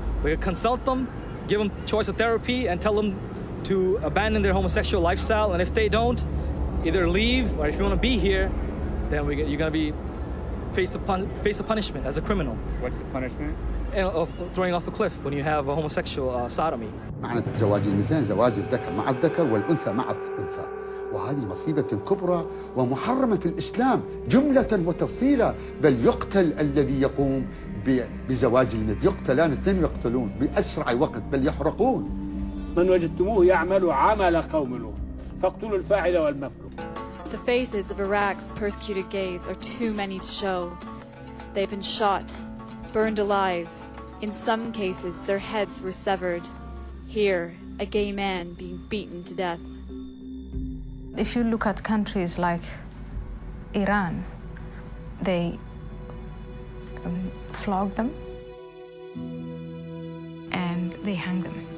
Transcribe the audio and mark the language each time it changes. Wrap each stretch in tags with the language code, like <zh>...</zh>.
<en>We consult them, give them choice of therapy, and tell them to abandon their homosexual lifestyle. And if they don't, either leave, or if you wanna be here, then you're gonna be face a punishment as a criminal. What's the punishment? Of throwing off a cliff when you have a homosexual sodomy.</en> <ar>معنى الزواج المثنى زواج الذكر مع الذكر والأنثى مع الأنثى. وهذه مصيبة كبرى ومحرمة في الإسلام جملة وتفصيلا بل يقتل الذي يقوم بزواج المثنى يقتلان الاثنين يقتلون بأسرع وقت بل يحرقون من وجدتموه يعمل عمل قوم لوط فاقتلوا الفاعل والمفعول.</ar> <en>The faces of Iraq's persecuted gays are too many to show. They've been shot, burned alive. In some cases, their heads were severed. Here, a gay man being beaten to death. If you look at countries like Iran, they flog them and they hang them.</en>